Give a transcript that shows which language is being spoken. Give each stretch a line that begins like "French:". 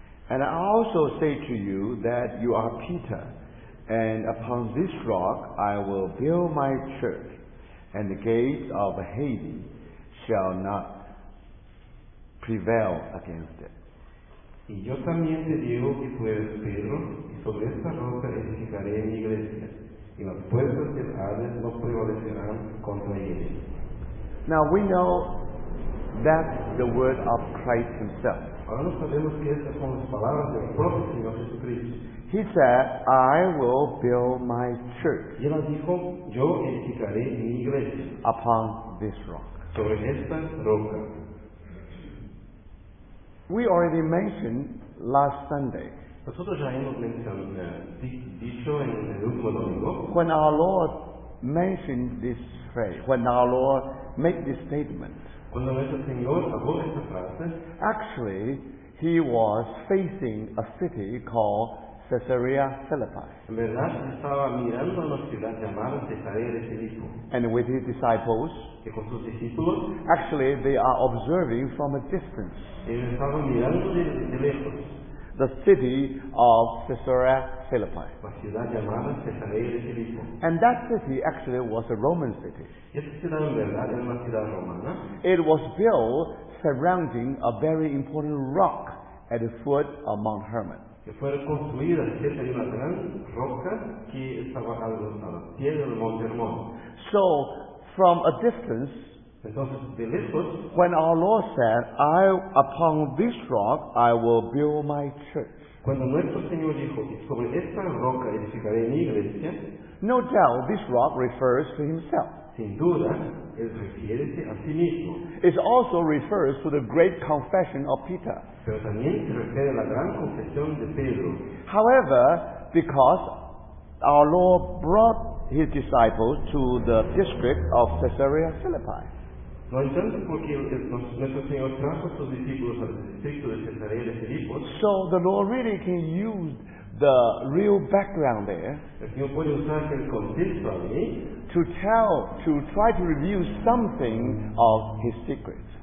English: And I also say to you that you are Peter, and upon this rock I will build my church, and the gates of Hades shall not prevail against it.
Spanish: Y yo también te digo que tú eres Pedro, y sobre esta roca edificaré mi iglesia, y las puertas del Hades no prevalecerán contra ella.
English: Now we know that's the word of Christ Himself.
Spanish: Ahora no sabemos que estas son las palabras del propio Señor Jesucristo.
English: He said, I will build my church.
Spanish: Y él dijo, yo edificaré mi iglesia.
English: Upon this rock.
Spanish: Sobre esta roca.
English: We already mentioned last Sunday.
Spanish: Nosotros ya hemos dicho en el último domingo.
English: When our Lord mentioned this phrase, when our Lord made this statement,
Spanish: cuando nuestro Señor habló esta frase,
English: actually, he was facing a city called Caesarea Philippi.
Spanish: En verdad, estaba mirando una ciudad llamada Cesarea de Filipo.
English: And with his disciples,
Spanish: y con sus discípulos,
English: actually, they are observing from a distance.
Spanish: Ellos estaban mirando de lejos.
English: The city of Caesarea Philippi.
Spanish: La ciudad llamada Cesarea de Filipo.
English: And that city actually was a Roman city.
Spanish: Esta ciudad en verdad era una ciudad romana.
English: It was built surrounding a very important rock at the foot of Mount Hermon.
Spanish: Que fueron construidas cerca de una gran roca que estaba a la pie del Monte Hermón.
English: So, from a distance,
Spanish: entonces, de lejos,
English: when our Lord said, I upon this rock I will build my church.
Spanish: Cuando nuestro Señor dijo, sobre esta roca edificaré mi iglesia,
English: no doubt this rock refers to himself.
Spanish: Sin duda, él refiere a sí mismo.
English: It also refers to the great confession of Peter.
Spanish: Pero también se refiere a la gran confesión de Pedro.
English: However, because our Lord brought his disciples to the district of Caesarea Philippi.
Portuguese: No entanto,
Spanish: porque nuestro Señor trajo a sus discípulos al distrito de Caesarea de Filipos.
English: So the Lord really can use the real background there to try to reveal something of his secrets.